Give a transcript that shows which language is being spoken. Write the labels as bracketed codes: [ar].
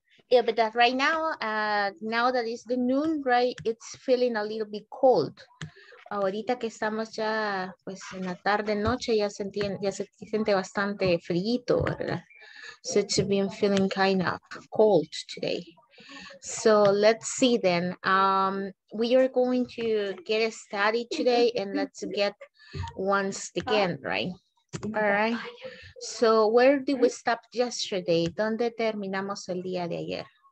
[en] Yeah, but that right now, now that it's the noon, right, it's feeling a little bit cold. [es] Ahorita que estamos ya, pues, en la tarde, noche, ya se siente bastante frío, ¿verdad? [en] So it's been feeling kind of cold today. So let's see then. We are going to get a study today and let's get once again, right? All right. So where did we stop yesterday? [es] ¿Dónde terminamos el día de ayer?